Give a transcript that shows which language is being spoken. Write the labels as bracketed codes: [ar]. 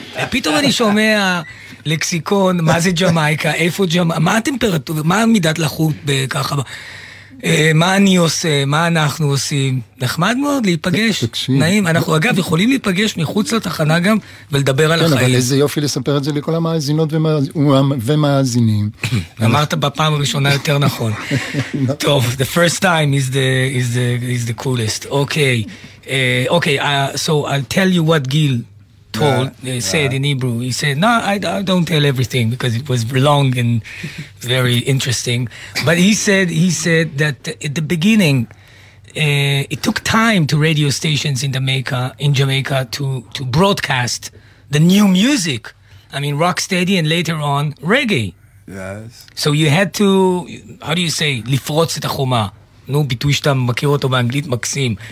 [he] פתאום אני שומע... לקסיקון, מה זה ג'מייקה, איפה ג'מייקה, מה הטמפרטור, מה מידת לחות בככה, מה אני עושה, מה אנחנו עושים, נחמד מאוד להיפגש, נעים, אנחנו אגב יכולים להיפגש מחוץ לתחנה גם ולדבר על החיים. כן, אבל איזה יופי לספר את זה לכל המאזינות ומאזינים. אמרת בפעם הראשונה יותר נכון. [en] טוב, the first time is the coolest. אוקיי, אוקיי, so I'll tell you what Gil said in Hebrew. He said, no, I don't tell everything because it was long and very interesting. But he said that at the beginning, it took time to radio stations in Jamaica, to broadcast the new music. I mean, rock steady and later on, reggae. Yes. So you had to, how do you say, [he] לפרוץ את החומה. נו, ביטוי שאתה מכיר אותו באנגלית מקסים.